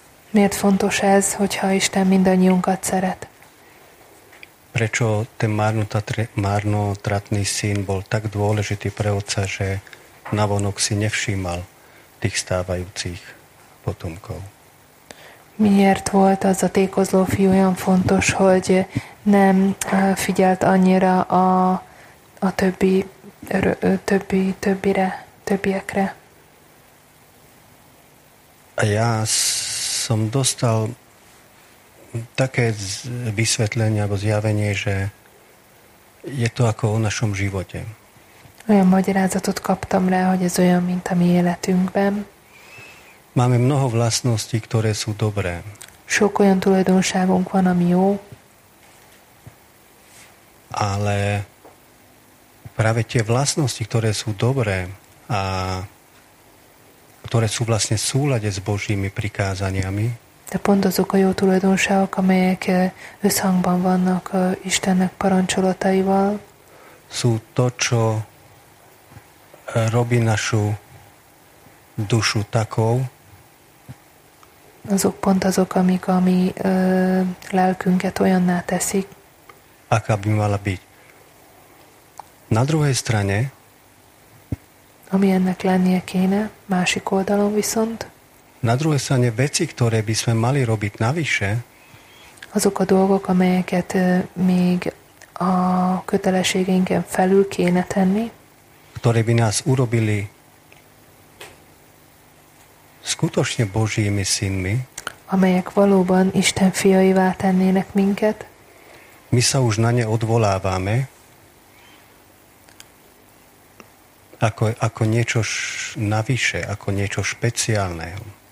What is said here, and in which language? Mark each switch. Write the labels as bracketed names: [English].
[Hungarian] Miért fontos ez, hogyha Isten mindannyiunkat szeret? [Slovak] Prečo ten marnotratný syn bol tak dôležitý pre otca, že navonok si nevšímal tých stávajúcich potomkov? [Hungarian] Miért volt az a tékozló fiú olyan fontos, hogy nem figyelt annyira a többiekre? [Slovak] A ja som dostal také vysvetlenie alebo zjavenie, že je to ako o našom živote. [Hungarian] Olyan magyarázatot kaptam rá, hogy ez olyan, mint a mi életünkben. [Slovak] Máme mnoho vlastností, ktoré sú dobré. [Hungarian] Sok olyan tulajdonságunk van, ami jó. [Slovak] Ale práve tie vlastnosti, ktoré sú dobré a ktoré sú vlastne v súlade s Božími prikázaniami. [Hungarian] De pont azok a jó tulajdonságok, amelyek összhangban vannak Istennek parancsolataival. [Slovak] Sú to, čo robí našu dušu takou. [Hungarian] Azok pont azok, amik a mi lelkünket olyanná teszik. [Slovak] Aká by mala byť. Na druhej strane, [Hungarian] ami ennek lennie kéne, másik oldalon viszont, [Slovak] na druhej strane veci, ktoré by sme mali robiť navyše, [Hungarian] azok a dolgok, amelyeket még a kötelességünkön felül kéne tenni, [Slovak] ktoré by nás urobili skutočne Božími synmi, [Hungarian] amelyek valóban Isten fiaivá tennének minket. [Slovak] My sa už na ne odvolávame ako niečo navyše, ako niečo špeciálneho.